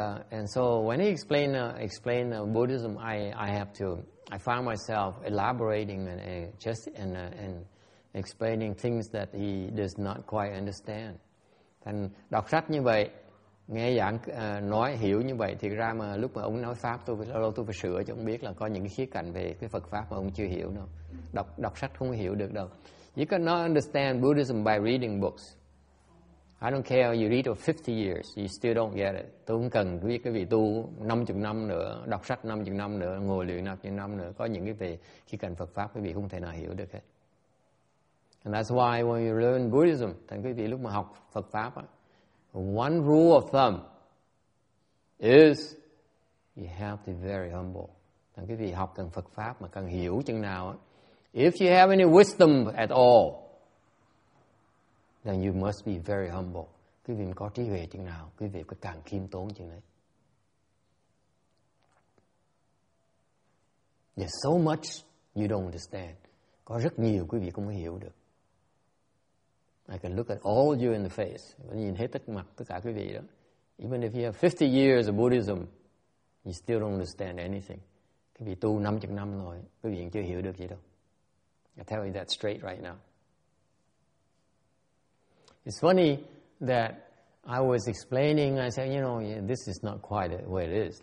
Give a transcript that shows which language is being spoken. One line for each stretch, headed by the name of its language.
English: And so when he explained Buddhism, I found myself elaborating and explaining things that he does not quite understand.
Vietnamese: Thành đọc sách như vậy, nghe giảng nói hiểu như vậy thì ra mà lúc mà ông nói pháp tôi phải sửa cho ông biết là có những cái khía cạnh về cái Phật pháp mà ông chưa hiểu đâu. Đọc sách không hiểu được đâu.
English: You cannot understand Buddhism by reading books. I don't care you read for 50 years, you still don't get it.
Vietnamese: Tôi không cần biết cái vị tu 50 năm nữa, đọc sách 50 năm nữa, ngồi luyện 50 năm nữa, có những cái về khía cạnh Phật pháp quý vị không thể nào hiểu được hết.
English: And that's why when you learn Buddhism,
Vietnamese: thành quý vị lúc mà học Phật pháp á,
English: one rule of thumb is you have to be very humble.
Vietnamese: Thành quý vị học cần Phật pháp mà cần hiểu chừng nào á,
English: if you have any wisdom at all, then you must be very humble.
Vietnamese: Quý vị có trí huệ chừng nào, quý vị có càng khiêm tốn chừng đấy.
English: There's so much you don't understand.
Vietnamese: Có rất nhiều quý vị không hiểu được.
English: I can look at all you in the face.
Vietnamese: Nhìn hết tất mặt tất cả quý vị đó.
English: Even if you have 50 years of Buddhism, you still don't understand anything.
Vietnamese: Quý vị tu 50 năm rồi, quý vị chưa hiểu được gì đâu.
English: I tell you that straight right now. It's funny that I was explaining, I said, you know, yeah, this is not quite the way it is.